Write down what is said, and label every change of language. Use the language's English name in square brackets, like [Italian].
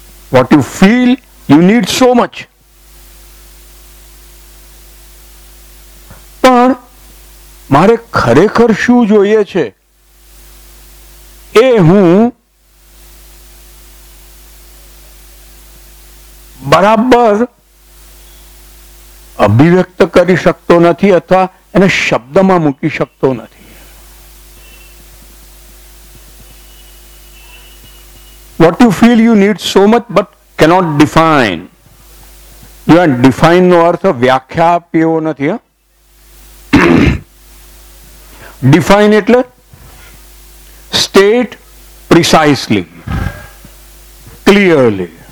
[English] What you feel, you need so much. [Gujarati] પણ મારે ખરેખર શું જોઈએ છે એ હું બરાબર અભિવ્યક્ત કરી શકતો નથી અથવા એને શબ્દમાં મૂકી શકતો નથી. [English] What you feel you need so much but cannot define. You are define [Gujarati] નો અર્થ વ્યાખ્યા આપ્યો નથી. [English] Define [Gujarati] એટલે [English] state precisely, clearly.